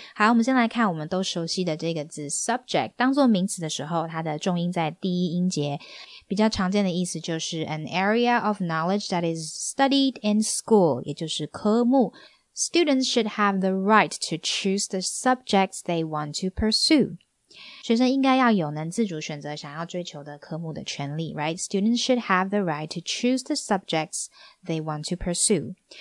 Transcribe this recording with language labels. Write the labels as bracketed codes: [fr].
[zh] 好，我们先来看我们都熟悉的这个字 subject, 当作名词的时候它的重音在第一音节，比较常见的意思就是 [en] an area of knowledge that is studied in school, [zh] 也就是科目。 [en] Students should have the right to choose the subjects they want to pursue. [zh] 学生应该要有能自主选择想要追求的科目的权利 [en] right? Students should have the right to choose the subjects they want to pursue.